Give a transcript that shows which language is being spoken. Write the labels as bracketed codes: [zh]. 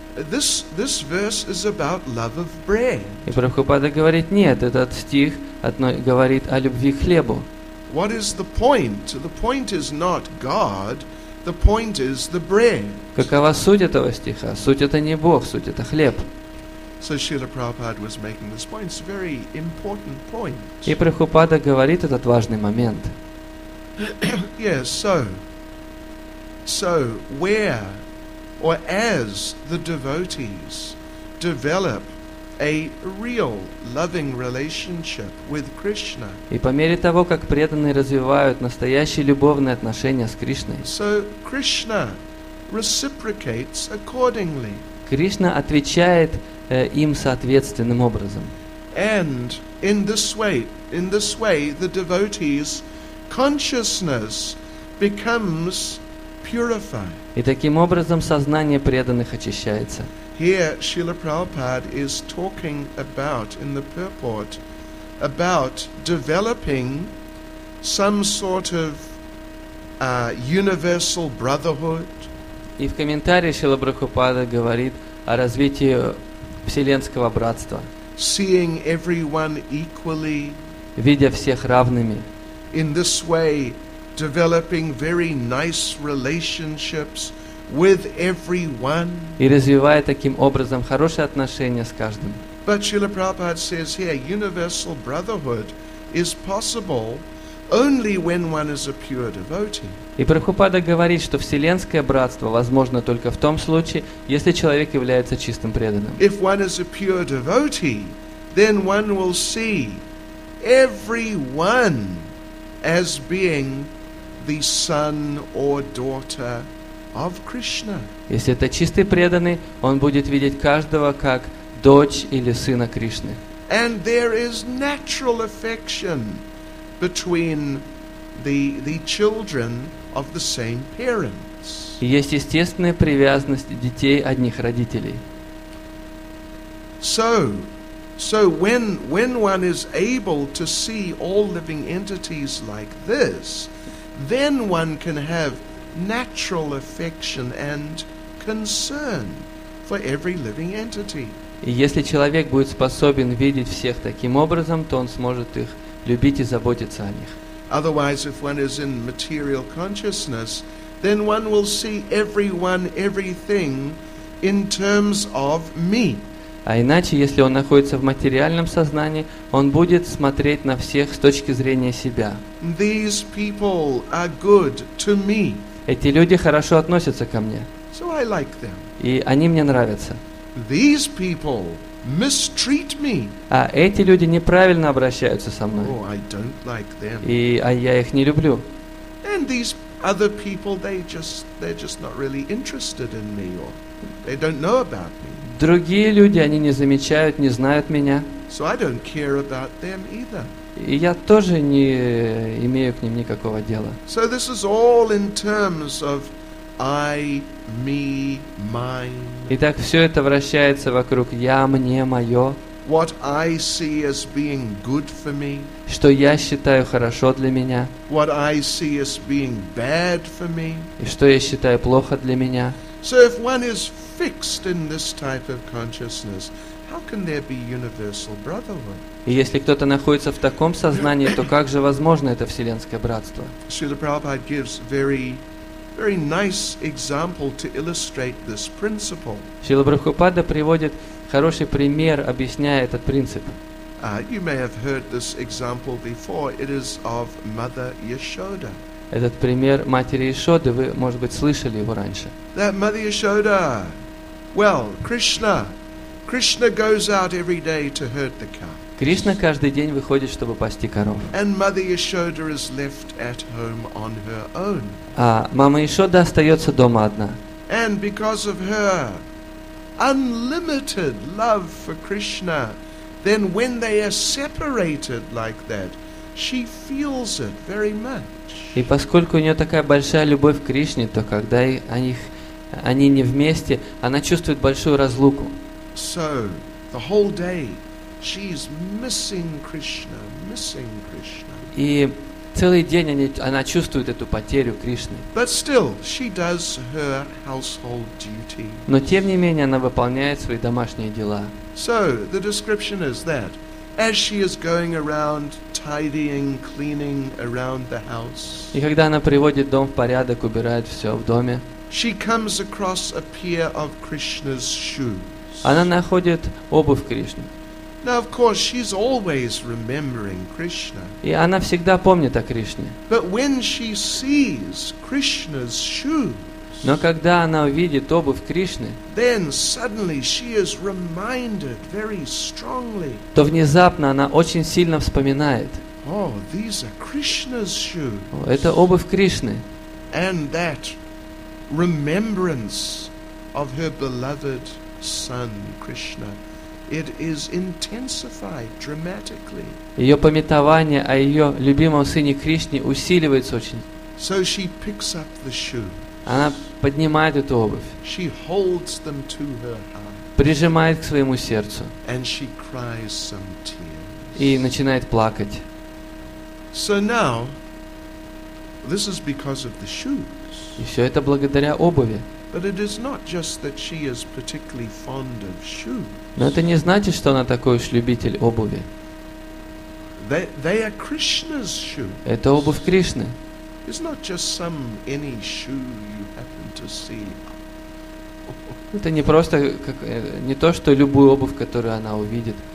[en] This verse is about love of bread. [ru] И Прабхупада говорит, нет, этот стих говорит о любви к хлебу. [en] What is the point? The point is not God, the point is the bread. [ru] Какова суть этого стиха? Суть — это не Бог, суть — это хлеб. [en] So Srila Prabhupada was making this point. It's a very important point. [ru] И Прабхупада говорит этот важный момент. [en] Yes, so where or as the devotees develop a real loving relationship with Krishna. [ru] И по мере того, как преданные развивают настоящие любовные отношения с Кришной. [en] So Krishna reciprocates accordingly. [ru] Кришна отвечает им соответственным образом. [en] And in this way the devotee's consciousness becomes purified. [ru] И таким образом сознание преданных очищается. [en] Here Srila Prabhupada is talking about, in the purport, about developing some sort of universal brotherhood. [ru] И в комментарии Шрила Прабхупада говорит о развитии вселенского братства. [en] Seeing everyone equally. [ru] Видя всех равными. [en] In this way, developing very nice relationships with everyone. [ru] И развивая таким образом хорошие отношения с каждым. [en] But Srila Prabhupada says here, universal brotherhood is possible only when one is a pure devotee. [ru] И Прабхупада говорит, что вселенское братство возможно только в том случае, если человек является чистым преданным. [en] If one is a pure devotee, then one will see everyone as being the son or daughter of Krishna. [ru] Если это чистый преданный, он будет видеть каждого как дочь или сына Кришны. [en] And there is natural affection between the children of the same parents. [ru] Есть естественная привязанность детей одних родителей. [en] So when one is able to see all living entities like this, then one can have natural affection and concern for every living entity. [ru] И если человек будет способен видеть всех таким образом, то он сможет их любить и заботиться о них. [en] Otherwise, if one is in material consciousness, then one will see everyone, everything in terms of me. [ru] А иначе, если он находится в материальном сознании, он будет смотреть на всех с точки зрения себя. [en] These people are good to me. [ru] Эти люди хорошо относятся ко мне. [en] So I like them. [ru] И они мне нравятся. [en] These people mistreat me. [ru] А эти люди неправильно обращаются со мной. [en] Oh, I don't like them. [ru] А я их не люблю. [en] And these other people, they're just not really interested in me, or they don't know about me. [ru] Другие люди, они не замечают, не знают меня. [en] So I don't care about them either. [ru] И я тоже не имею к ним никакого дела. [en] So this is all in terms of I, me, mine. [ru] Итак, все это вращается вокруг я, мне, мое. [en] What I see as being good for me. [ru] Что я считаю хорошо для меня. [en] What I see as being bad for me. [ru] И что я считаю плохо для меня. [en] So if one is fixed in this type of consciousness, how can there be universal brotherhood? [ru] И если кто-то находится в таком сознании, то как же возможно это вселенское братство? [en] Srila Prabhupada gives very very nice example to illustrate this principle. [ru] Шрила Прабхупада приводит хороший пример, объясняя этот принцип. [en] You may have heard this example before. It is of Mother Yashoda. [ru] Этот пример матери Яшоды, вы, может быть, слышали его раньше. [en] That Mother Yashoda. Well, Krishna goes out every day to herd the cows. [ru] Кришна каждый день выходит, чтобы пасти коров. [en] And Mother Yashoda is left at home on her own. [ru] А мама Яшода остается дома одна. [en] And because of her unlimited love for Krishna, then when they are separated like that, she feels it very much. [ru] И поскольку у нее такая большая любовь к Кришне, то когда они не вместе, она чувствует большую разлуку. [en] So, the whole day she's missing Krishna, missing Krishna. [ru] И целый день она чувствует эту потерю Кришны. [en] But still, she does her household duties. [ru] Но тем не менее она выполняет свои домашние дела. [en] So, the description is that as she is going around tidying, cleaning around the house. [ru] И когда она приводит дом в порядок, убирает все в доме. [en] She comes across a pair of Krishna's shoes. [ru] Она находит обувь Кришны. [en] Now, of course, she's always remembering Krishna. [ru] И она всегда помнит о Кришне. [en] But when she sees Krishna's shoes. [ru] Но когда она увидит обувь Кришны, [en] then suddenly she is reminded very strongly. [ru] То внезапно она очень сильно вспоминает. [en] Oh, these are Krishna's shoes. [ru] О, это обувь Кришны. [en] And that remembrance of her beloved son Krishna, it is intensified dramatically. [ru] Ее памятование о ее любимом сыне Кришне усиливается очень. [en] So she picks up the shoe. [ru] Она поднимает эту обувь. [en] She holds them to her heart. [ru] Прижимает к своему сердцу. [en] And she cries some tears. [ru] И начинает плакать. [en] So now, this is because of the shoes. [ru] И все это благодаря обуви. [en] But it is not just that she is particularly fond of shoes. [ru] Но это не значит, что она такой уж любитель обуви. [en] They are Krishna's shoes. [ru] Это обувь Кришны. [en] It's not just some any shoe you happen to see. [ru] Это не просто не то, что любую обувь, которую она увидит.